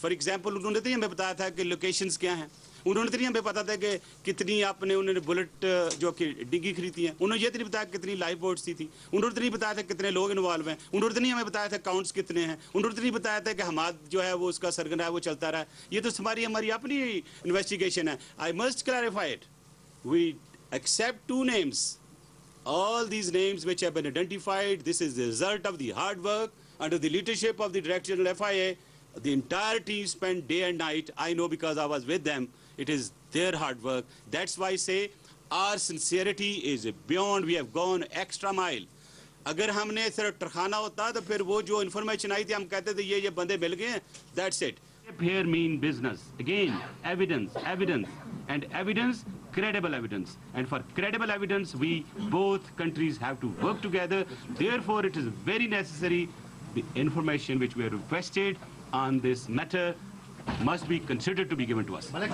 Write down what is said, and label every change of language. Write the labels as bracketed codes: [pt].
[hi] For example उन्होंने तो हमें बताया था कि लोकेशंस क्या हैं, उन्होंने तो नहीं हमें पता था कि कितनी आपने उन्होंने बुलेट जो कि डिग्गी खरीदी है, उन्होंने ये तो नहीं बताया कितनी लाइफ बोट्स थी, उन्होंने तो नहीं बताया था कितने लोग इन्वॉल्व हैं, उन्होंने तो नहीं हमें बताया था काउंट्स कितने हैं, उन्होंने तो नहीं बताया था कि हमाद जो है वो उसका सरगना है वो चलता रहा. ये तो हमारी अपनी इन्वेस्टिगेशन है. [en] I must clarify it, we except two names, all these names which have been identified, this is the result of the hard work under the leadership of the director general FIA. The entire team spent day and night. I know because I was with them. It is their hard work. That's why I say our sincerity is beyond. We have gone extra mile. [hi] अगर हमने सिर्फ टरखाना होता तो फिर वो जो information आई थी हम कहते थे ये बंदे मिल गए. [en] That's it. Here mean business again. Evidence, evidence, and evidence. Credible evidence. And for credible evidence, we both countries have to work together. Therefore, it is very necessary. The information which we have requested. On this matter must be considered to be given to us.